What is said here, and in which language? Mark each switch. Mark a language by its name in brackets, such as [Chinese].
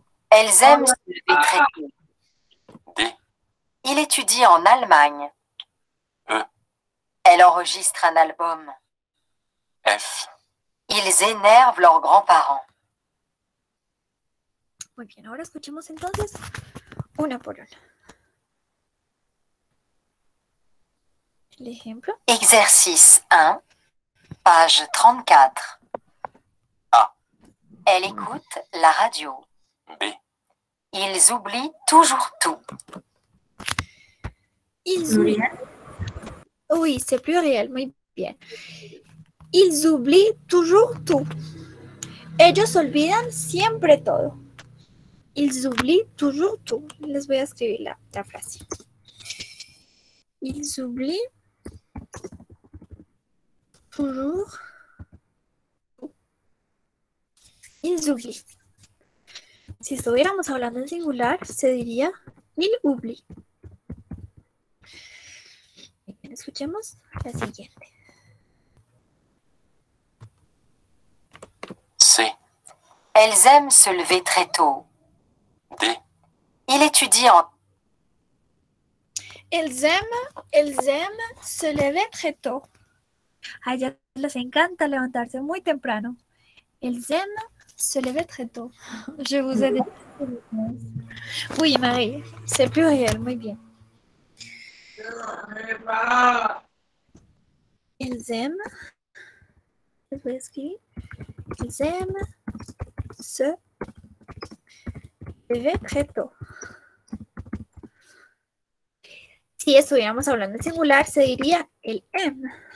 [French] Elles aiment se lever très tôt. Il étudie en Allemagne. E. Elle enregistre un album. F. Ils énervent leurs grands-parents. [Spanish] Muy bien, ahora escuchemos entonces una por una. [French] L'exemple. Exercice 1, page 34. A. Elle écoute la radio. B. Ils oublient toujours tout. Ils oublient. Oui, c'est pluriel. [Spanish] Muy bien. [French] Ils oublient toujours tout. [Spanish] Ellos olvidan siempre todo. [French] Ils oublient toujours tout. [Spanish] Les voy a escribir la frase. [French] Ils oublient toujours tout. Inzugli. [Spanish] Si estuviéramos hablando en singular, se diría Nilubli. Escuchemos la siguiente. C. [French] Elles aiment se lever très tôt. D. Il étudie en... Elles aiment se lever très tôt. [Spanish] A ellas les encanta levantarse muy temprano. [French] Elles aiment se lever très tôt. Je vous ai dit. Oui, Marie, c'est pluriel, [Spanish] muy bien. [French] Elles aiment, je vais écrire, elles aiment se lever très tôt. [Spanish] Si estuviéramos hablando en singular, se diría el M.